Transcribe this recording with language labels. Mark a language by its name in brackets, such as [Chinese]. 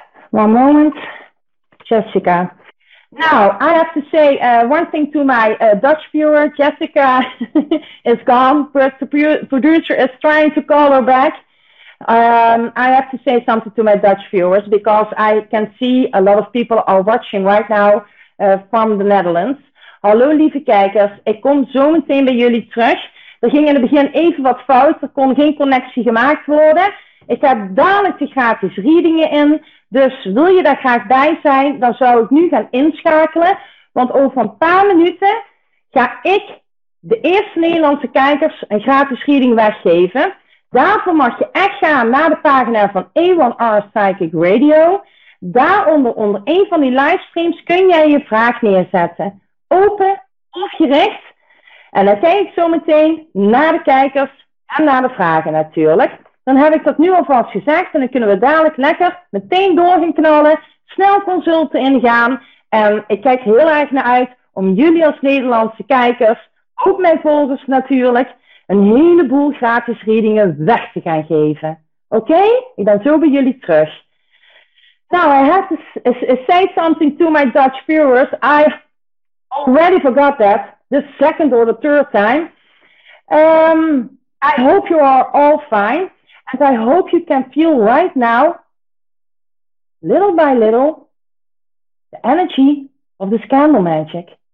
[English] One moment, Jessica. Now, I have to say one thing to my Dutch viewer. Jessica is gone, but the producer is trying to call her back. I have to say something to my Dutch viewers because I can see a lot of people are watching right now from the Netherlands. [Dutch] Hallo lieve kijkers, ik kom zo meteen bij jullie terug. Er ging in het begin even wat fout, er kon geen connectie gemaakt worden. Ik heb dadelijk de gratis readingen in, dus wil je daar graag bij zijn, dan zou ik nu gaan inschakelen. Want over een paar minuten ga ik de eerste Nederlandse kijkers een gratis reading weggeven. Daarvoor mag je echt gaan naar de pagina van A1R Psychic Radio. Daaronder, onder een van die livestreams, kun jij je vraag neerzetten. Open of gericht. En dan kijk ik zo meteen naar de kijkers en naar de vragen natuurlijk. Dan heb ik dat nu alvast gezegd en dan kunnen we dadelijk lekker meteen door gaan knallen. Snel consulten ingaan. En ik kijk heel erg naar uit om jullie als Nederlandse kijkers, ook mijn volgers natuurlijk, een heleboel gratis readingen weg te gaan geven. Oké? Ik ben zo bij jullie terug. [English] Now, I have to say something to my Dutch viewers. I already forgot that the second or the third time. I hope you are all fine. And I hope you can feel right now, little by little, the energy of this candle magic.